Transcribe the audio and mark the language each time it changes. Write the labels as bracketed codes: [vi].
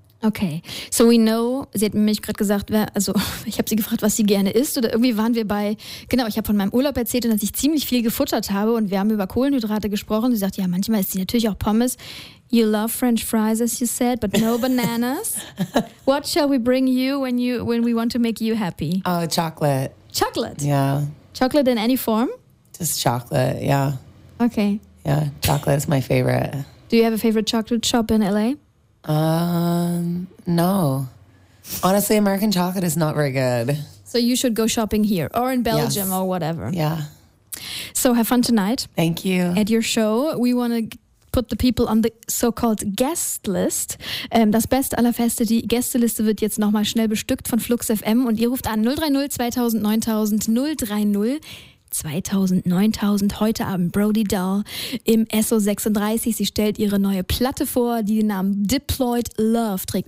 [en] Okay, so we know, [de] sie hat mich gerade gesagt, also ich habe sie gefragt, was sie gerne isst oder irgendwie waren wir bei, genau, ich habe von meinem Urlaub erzählt und dass ich ziemlich viel gefuttert habe und wir haben über Kohlenhydrate gesprochen. Sie sagt, ja, manchmal isst sie natürlich auch Pommes. [en] You love French fries, as you said, but no bananas. What shall we bring you when we want to make you happy? Oh, chocolate. Chocolate? Yeah. Chocolate in any form? Just chocolate, yeah. Okay. Yeah, chocolate is my favorite. Do you have a favorite chocolate shop in L.A.? No. Honestly, American chocolate is not very good. So you should go shopping here or in Belgium or whatever. Yeah. So have fun tonight. Thank you. At your show, we want to put the people on the so-called guest list. [de] Das Beste aller Feste, die Gästeliste wird jetzt nochmal schnell bestückt von Flux FM und ihr ruft an 030 2000 9000 030 2000, 9000, heute Abend Brody Dahl im SO36. Sie stellt ihre neue Platte vor, die den Namen Diploid Love trägt.